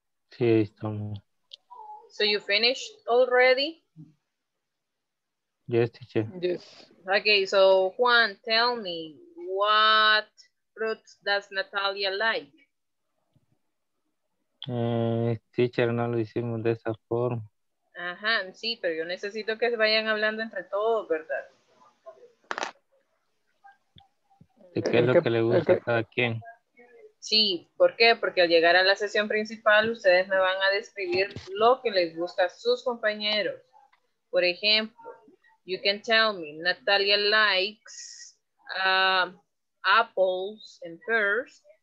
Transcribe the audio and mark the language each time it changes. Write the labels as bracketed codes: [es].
[es] Sí, estamos. [en] So you finished already? Yes, teacher. Yes. Okay, so Juan, tell me, what fruits does Natalia like? [es] Teacher, no lo hicimos de esa forma. Ajá, sí, pero yo necesito que vayan hablando entre todos, ¿verdad? ¿De qué es lo que le gusta a cada quien? Sí, ¿por qué? Porque al llegar a la sesión principal, ustedes me van a describir lo que les gusta a sus compañeros. Por ejemplo, [en] you can tell me, Natalia likes apples and pears.